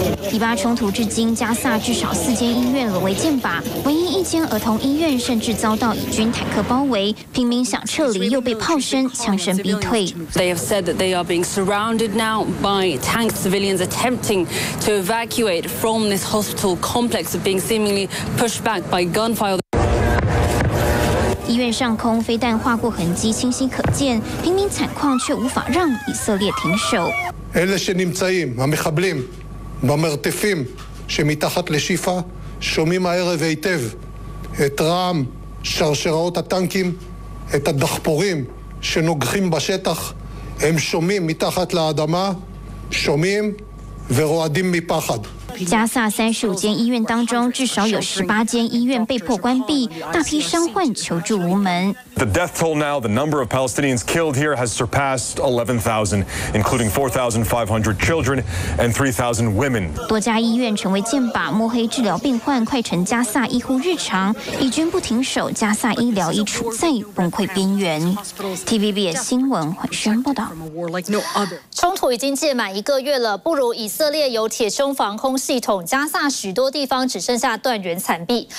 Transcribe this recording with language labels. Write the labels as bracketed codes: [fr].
[zh] 以巴冲突至今，加萨至少4间医院沦为箭靶，唯一1间儿童医院甚至遭到以军坦克包围，平民想撤离又被炮声、枪声逼退。 [en] They have said that they are being surrounded now by tanked civilians attempting to evacuate from this hospital complex, being seemingly pushed back by gunfire. [zh] 医院上空飞弹划过痕迹清晰可见，平民惨况却无法让以色列停手。 [he] אלה שנמצאים, המחבלים, במרתפים שמתחת לשיפה, שומעים הערב היטב את רעם שרשראות הטנקים, את הדחפורים שנוגחים בשטח, הם שומעים מתחת לאדמה, שומעים ורועדים מפחד. [zh] 加萨35间医院当中，至少有18间医院被迫关闭，大批伤患求助无门。 [en] The death toll now, the number of Palestinians killed here has surpassed 11,000, including 4,500 children and 3,000 women. [zh] 多家医院成为箭靶，摸黑治疗病患快成加萨医护日常。以军不停手，加萨医疗已处在崩溃边缘。 TVBS 新闻缓宣报道。冲突已经届满一个月了，不如以色列有铁胸防空系统，加萨许多地方只剩下断垣残壁。